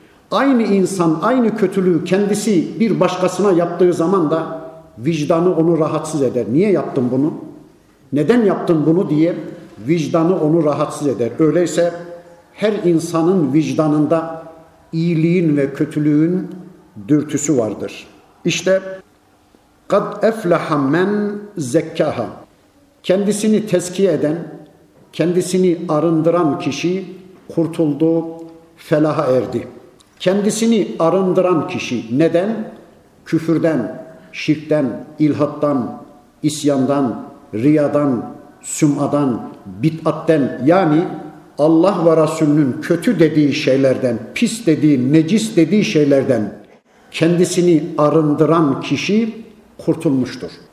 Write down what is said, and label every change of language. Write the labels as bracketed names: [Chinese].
[Turkish] Aynı insan aynı kötülüğü kendisi bir başkasına yaptığı zaman da vicdanı onu rahatsız eder. Niye yaptın bunu? Neden yaptın bunu diye vicdanı onu rahatsız eder. Öyleyse her insanın vicdanında iyiliğin ve kötülüğün dürtüsü vardır. [Arabic] İşte قَدْ اَفْلَحَ مَنْ زَكَّهَا. [Turkish] Kendisini tezkiye eden, kendisini arındıran kişi kurtuldu, felaha erdi. Kendisini arındıran kişi neden? Küfürden, şirkten, ilhattan, isyandan, riyadan, sümadan, bid'atten, yani Allah ve Resulünün kötü dediği şeylerden, pis dediği, necis dediği şeylerden kendisini arındıran kişi kurtulmuştur.